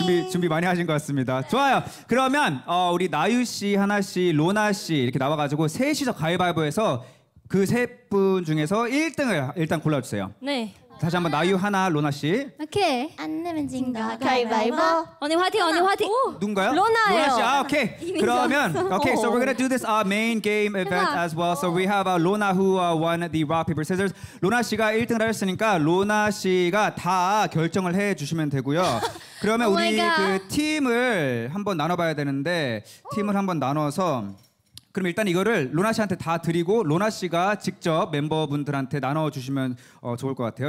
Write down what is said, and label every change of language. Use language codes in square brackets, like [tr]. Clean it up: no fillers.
[ko] 준비 많이 하신 것 같습니다. 좋아요. 그러면 우리 나유 씨, 하나 씨, 로나 씨 이렇게 나와가지고 셋이서 가위바위보해서 그 세 분 중에서 1등을 일단 골라주세요. 네. 다시 한번 나유, 하나, 로나 씨. 오케이. 안 내면 진다. 가위바위보. 언니 화이팅, 언니 화이팅. 누군가요? 로나예요. 로나 씨. 아, 오케이. 그러면 오케이. [en] So we're gonna do this our main game event as well. So we have a Luna who won the rock paper scissors. [ko] 로나 씨가 1등을 하셨으니까 로나 씨가 다 결정을 해 주시면 되고요. 그러면 우리 그 팀을 한번 나눠봐야 되는데 팀을 한번 나눠서 그럼 일단 이거를 로나 씨한테 다 드리고 로나 씨가 직접 멤버분들한테 나눠주시면 좋을 것 같아요.